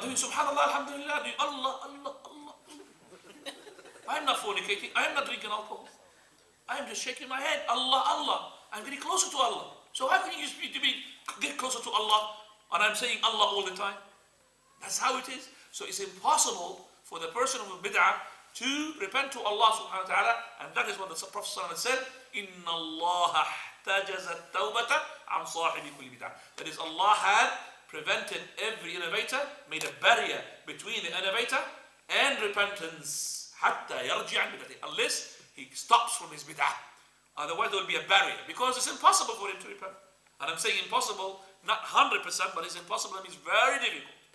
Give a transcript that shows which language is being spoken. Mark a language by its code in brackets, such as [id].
[en] I'm doing subhanAllah, alhamdulillah, doing Allah, Allah, Allah. I'm not fornicating, I'm not drinking alcohol. I'm just shaking my head, Allah, Allah. I'm getting closer to Allah. So how can you speak to me, get closer to Allah, and I'm saying Allah all the time? That's how it is. So it's impossible for the person of a bid'ah to repent to Allah subhanahu wa ta'ala. And that is what the Prophet ﷺ said, [ar] إِنَّ اللَّهَ احْتَجَزَ التَّوْبَةَ عَمْ صَاحِبِ كُلِّ بِدْعَةٍ. [en] That is, Allah had prevented every innovator, made a barrier between the innovator and repentance. [ar] حَتَّى يَرْجِعَ بِدْعَةٍ. [en] Unless he stops from his bid'ah. Otherwise there will be a barrier, because it's impossible for him to repent. And I'm saying impossible, not 100%, but it's impossible, and it's very difficult.